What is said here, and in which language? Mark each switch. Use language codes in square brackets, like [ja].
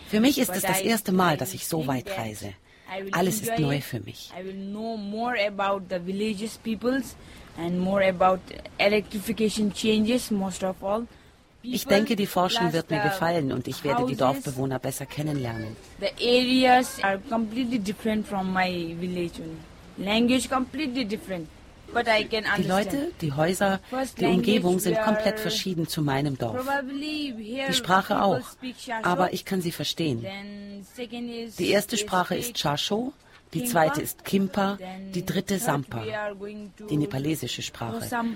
[de] Für mich ist es das erste Mal, dass ich so weit reise. Alles ist neu für mich. [en] I will know more about the villages peoples and more about electrification changes most of all. [de] Ich denke, die Forschung wird mir gefallen und ich werde die Dorfbewohner besser kennenlernen. [en] The areas are completely different from my village. Language completely different. But I can understand. [de] Die Leute, die Häuser, die Umgebung sind komplett verschieden zu meinem Dorf. Die Sprache auch, aber ich kann sie verstehen. Die erste Sprache ist Shasho, die zweite ist Kimpa, die dritte Sampa, die nepalesische Sprache.